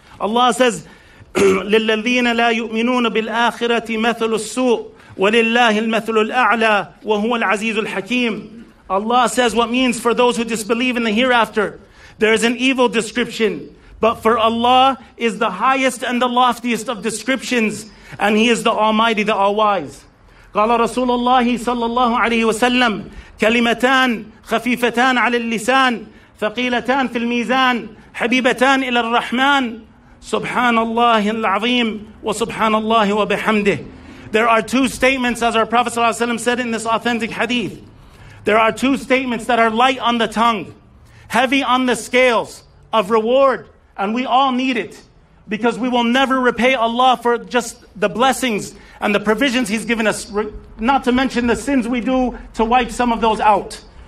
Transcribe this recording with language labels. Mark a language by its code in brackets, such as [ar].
[en] Allah says, [ar] لِلَّذِينَ لَا يُؤْمِنُونَ بِالْآخِرَةِ مَثَلُ السُّوءِ وَلِلَّهِ الْمَثَلُ الْأَعْلَى وَهُوَ الْعَزِيزُ الْحَكِيمُ. [en] Allah says what means, for those who disbelieve in the hereafter, there is an evil description. But for Allah is the highest and the loftiest of descriptions, and He is the Almighty, the All-Wise. [ar] قال رسول الله صلى الله عليه وسلم كلمتان خفيفتان على اللسان ثقيلتان في الميزان حبيبتان إلى الرحمن سبحان الله العظيم وسبحان الله وبحمده. [en] There are two statements, as our Prophet ﷺ said in this authentic hadith. There are two statements that are light on the tongue, heavy on the scales of reward, and we all need it, because we will never repay Allah for just the blessings and the provisions He's given us, not to mention the sins we do to wipe some of those out.